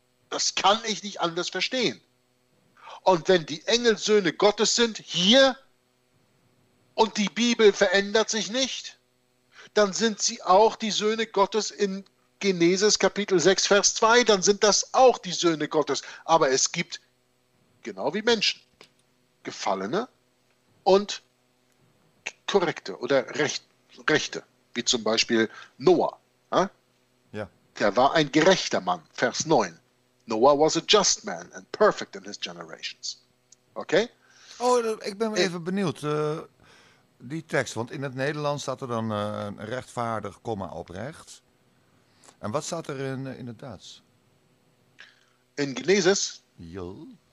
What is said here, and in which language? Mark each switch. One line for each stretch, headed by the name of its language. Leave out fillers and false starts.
German: Das kann ich nicht anders verstehen. Und wenn die Engel Söhne Gottes sind, hier, und die Bibel verändert sich nicht, dann sind sie auch die Söhne Gottes in Genesis Kapitel 6, Vers 2, dann sind das auch die Söhne Gottes. Aber es gibt, genau wie Menschen, Gefallene und Korrekte oder Rechte, wie zum Beispiel Noah. Ja. Der war ein gerechter Mann, Vers 9.
English: Noah was a just man and perfect in his generations. Okay?
Dutch: Oh, ik ben even benieuwd. Die tekst, want in het Nederlands staat er dan rechtvaardig, comma oprecht. En wat staat er in het Duits? In Genesis. Jo.